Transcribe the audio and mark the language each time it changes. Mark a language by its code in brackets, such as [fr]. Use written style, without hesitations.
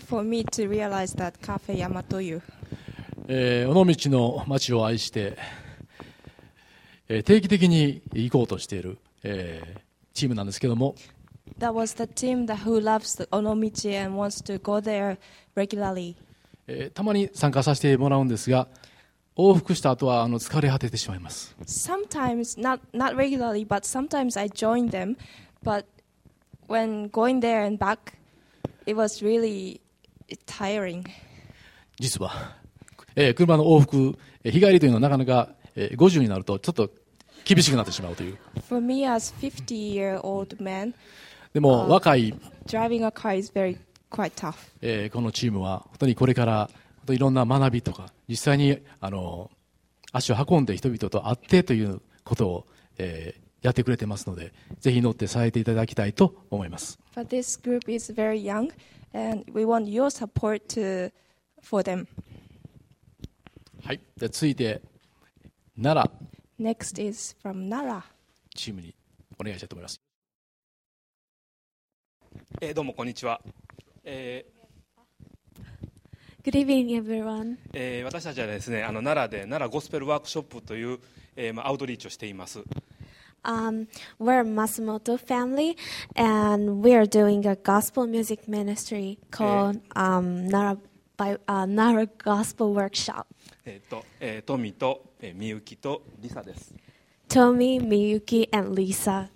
[en] quite shocking for me to realize that cafe Yamato-yu. [ja] 尾道の町を愛して、定期的に行こうとしている、チームなんですけども、 [en] That was the team that who loves the 尾道 and wants to go there regularly. [ja] たまに参加させてもらうんですが、往復した後は疲れ果ててしまいます。 [en] Sometimes not regularly, but sometimes I join them. But when going there and back, it was really tiring. [ja] 実は、車の往復、日帰りというのはなかなか、50になるとちょっと厳しくなってしまうという。 [en] For me as 50-year-old man. [ja] でも若い。 [en] Driving a car is very quite tough. [ja] このチームは本当にこれから。いろんな学びとか実際に足を運んで人々と会ってということを、やってくれてますのでぜひ乗って支えていただきたいと思います。 [en] But this group is very young and we want your support to, for them. [ja] はい、じゃ続いて奈良。 [en] Next is from 奈良。 [ja] チームにお願いしたいと思います。どうもこんにちは。 [en] Good evening, everyone. [ja] 私たちはですね、奈良で奈良ゴスペルワークショップという、アウトリーチをしています。 [en] We're Masumoto family and we are doing a gospel music ministry called 奈良 Gospel Workshop. [ja] トミとミユキとリサです。 [en] トミ、ミユキ and Lisa.